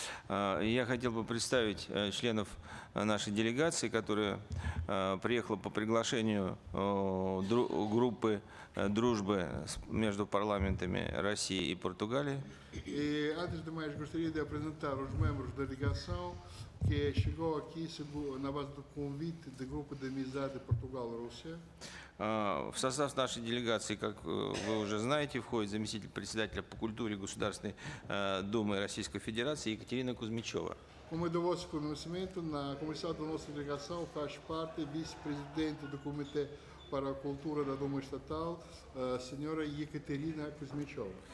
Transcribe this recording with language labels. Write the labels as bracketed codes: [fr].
[ru] Я хотел бы представить членов нашей делегации, которая приехала по приглашению группы дружбы между парламентами России и Португалии. [pt] И antes de mais, gostaria de apresentar os membros da delegação. Que chegou aqui na base do convite do grupo de amizade Portugal-Rússia. [ru] В состав нашей делегации, как вы уже знаете, входит заместитель председателя по культуре Государственной Думы Российской Федерации Екатерина Кузьмичева. [pt] Como de vosso conhecimento, na comissão da nossa delegação faz parte vice-presidente do Comitê para a Cultura da Duma Estatal, senhora Екатерина Кузьмичева.